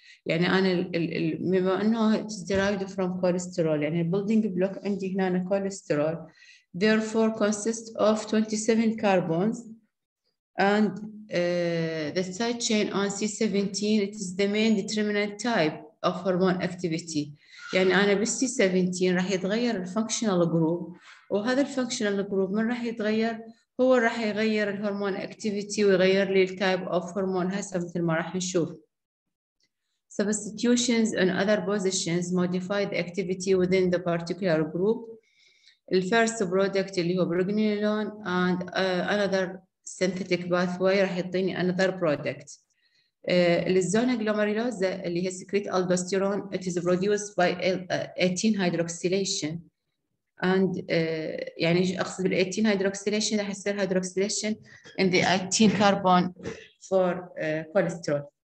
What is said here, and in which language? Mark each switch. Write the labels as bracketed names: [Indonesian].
[Arabic] يعني أنا بما أنه [English] it's derived from cholesterol. يعني building block [Arabic] عندي هنا [English] cholesterol. Therefore, consists of 27 carbons. And the side chain on C17, it is the main determinant type of hormone activity. [Arabic] يعني أنا بال C17 راح يتغير الفانكشنال جروب، وهذا الفانكشنال جروب من راح يتغير؟ هو راح يغير الهرمون اكتيفيتي ويغير لي التايب اوف هرمون هسه مثل ما راح نشوف. [English] Substitutions in other positions modify the activity within the particular group. The first product [Arabic] اللي هو [English] Pregnenolone and another synthetic pathway راح يعطيني another product. [Arabic] الزونا جلوميرولوزا اللي هي [English] secrete aldosterone it is produced by 18 hydroxylation and [Arabic] يعني اقصد بال [English] 18 hydroxylation [Arabic] راح يصير [English] hydroxylation in the 18 carbon for cholesterol.